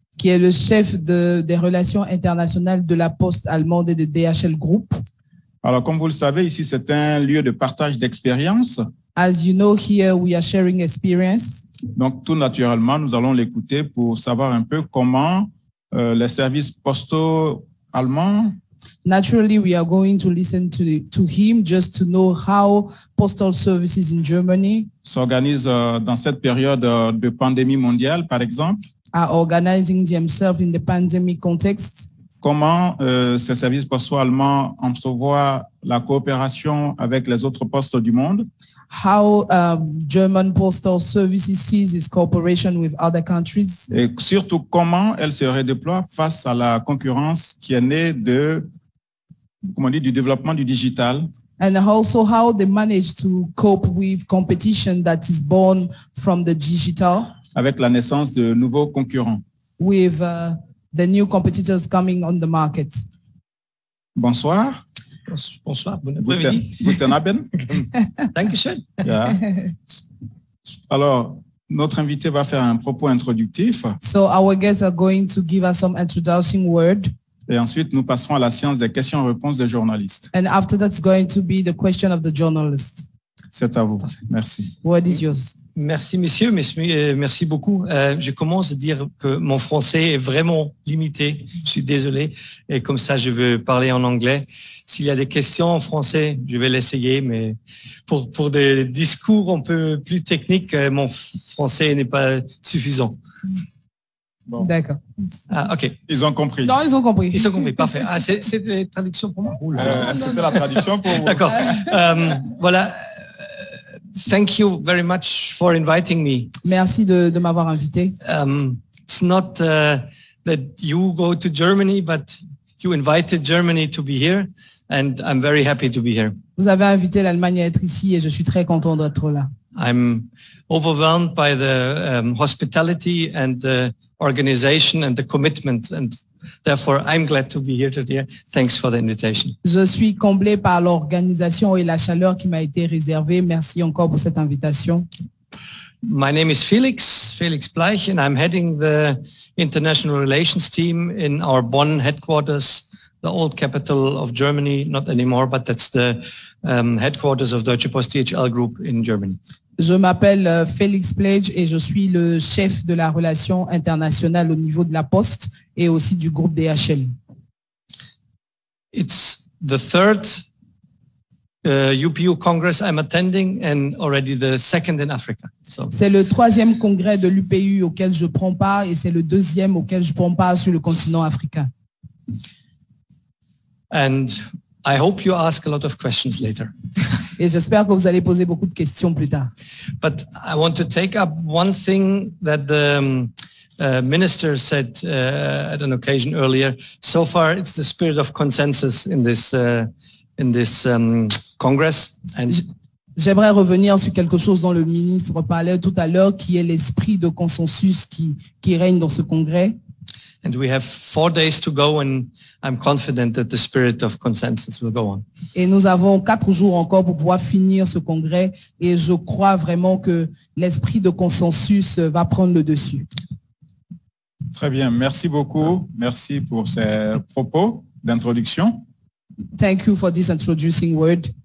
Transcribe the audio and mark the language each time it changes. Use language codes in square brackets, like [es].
[fr] Qui est le chef des relations internationales de la Poste allemande et de DHL Group. Alors, comme vous le savez, ici, c'est un lieu de partage d'expérience. [en] As you know, here we are sharing experience. [fr] Donc, tout naturellement, nous allons l'écouter pour savoir un peu comment les services postaux allemands. [en] Naturally, we are going to listen to him just to know how postal services in Germany [fr] s'organisent dans cette période de pandémie mondiale, par exemple. [en] Are organizing themselves in the pandemic context. [fr] Comment ces services postaux allemands entrevoient la coopération avec les autres postes du monde? [en] How German postal services sees its cooperation with other countries? [fr] Et surtout, comment elle se redéploie face à la concurrence qui est née de, comment dire, du développement du digital? [en] And also how they manage to cope with competition that is born from the digital? [fr] Avec la naissance de nouveaux concurrents. [en] With the new competitors coming on the market. [fr] Bonsoir. Bonsoir, bonne après-midi. [de] Guten Abend. [en] Thank you, sir. Yeah. [fr] Alors, notre invité va faire un propos introductif. [en] So our guests are going to give us some introducing word. [fr] Et ensuite, nous passerons à la séance des questions-réponses des journalistes. [en] And after that's going to be the question of the journalist. [fr] C'est à vous. Parfait. Merci. [en] Word is yours. [fr] Merci, messieurs. Merci beaucoup. Je commence à dire que mon français est vraiment limité. Je suis désolé. Et comme ça, je veux parler en anglais. S'il y a des questions en français, je vais l'essayer. Mais pour des discours un peu plus techniques, mon français n'est pas suffisant. Bon. D'accord. Ah, OK. Ils ont compris. Non, ils ont compris. Ils ont compris. Parfait. Ah, c'est la traduction pour moi. C'était la traduction pour vous. D'accord. Voilà. [en] Thank you very much for inviting me. [fr] Merci de m'avoir invité. [en] It's not that you go to Germany, but you invited Germany to be here, and I'm very happy to be here. [fr] Vous avez invité l'Allemagne à être ici, et je suis très content d'être là. [en] I'm overwhelmed by the hospitality and the organization and the commitment, and therefore I'm glad to be here today. Thanks for the invitation. [fr] Je suis comblé par l'organisation et la chaleur qui m'a été réservée. Merci encore pour cette invitation. [en] My name is Felix Blech, and I'm heading the international relations team in our Bonn headquarters, the old capital of Germany, not anymore, but that's the headquarters of Deutsche Post DHL Group in Germany. [fr] Je m'appelle Felix Blech et je suis le chef de la relation internationale au niveau de la Poste et aussi du groupe DHL. [en] It's the third UPU Congress I'm attending and already the second in Africa. So. [fr] C'est le troisième congrès de l'UPU auquel je prends part et c'est le deuxième auquel je prends part sur le continent africain. [en] And I hope you ask a lot of questions later. [fr] Et j'espère que vous allez poser beaucoup de questions plus tard. [en] But I want to take up one thing that the minister said at an occasion earlier. So far, it's the spirit of consensus in this congress. [fr] And j'aimerais revenir sur quelque chose dont le ministre parlait tout à l'heure, qui est l'esprit de consensus qui règne dans ce congrès. [en] And we have 4 days to go, and I'm confident that the spirit of consensus will go on. [fr] Et nous avons 4 jours encore pour pouvoir finir ce congrès, et je crois vraiment que l'esprit de consensus va prendre le dessus. Très bien, merci beaucoup. Merci pour ces propos d'introduction. [en] Thank you for this introducing word.